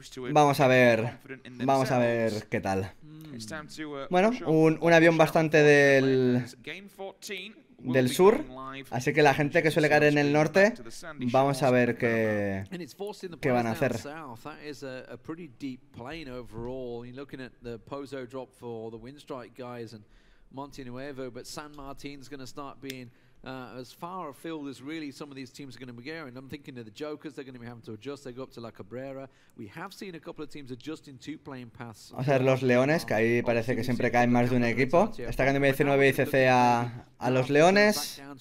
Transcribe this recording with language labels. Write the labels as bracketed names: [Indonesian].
[Spanish] Vamos a ver qué tal. Bueno, un avión bastante del sur, así que la gente que suele caer en el norte, vamos a ver qué van a hacer. [English] That is a pretty deep plane overall. You're looking at the Pozo drop for the Windstrike guys and Monte Nuevo, but San Martín's going to start being As far afield as really some of these teams are going to be going. I'm thinking of the Jokers, they're going to be having to adjust, they go up to La Cabrera. We have seen a couple of teams adjusting to playing paths. [Spanish] O sea, los Leones, que ahí parece que siempre caen más de un equipo. Está cambiando 19 ICC a los Leones.